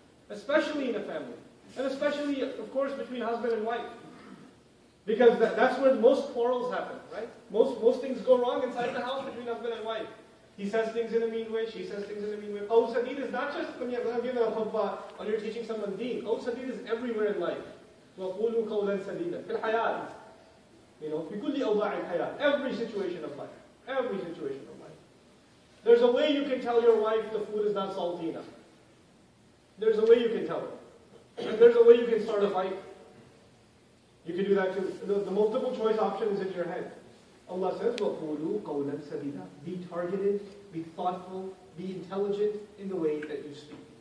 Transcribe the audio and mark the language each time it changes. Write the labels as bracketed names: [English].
[English] Especially in a family. And especially, of course, between husband and wife. Because that's where most quarrels happen, right? Most things go wrong inside the house between husband and wife. He says things in a mean way, she says things in a mean way. Qawl sadeed is not just when you're giving a khutbah or you're teaching someone deen. Qawl sadeed is everywhere in life. [Arabic] وَقُولُوا قَوْلًا سَدِيدًا فِي الْحَيَاةِ [English] You know, [Arabic] بِكُلِّ أَوْضَاعِ الْحَيَاةِ [English] Every situation of life. Every situation of life. There's a way you can tell your wife the food is not salty enough. There's a way you can tell her. And there's a way you can start a fight. You can do that too. The multiple choice option is in your head. Allah says, [Arabic] وَقُولُوا قَوْلًا سَدِيدًا [English] Be targeted, be thoughtful, be intelligent in the way that you speak.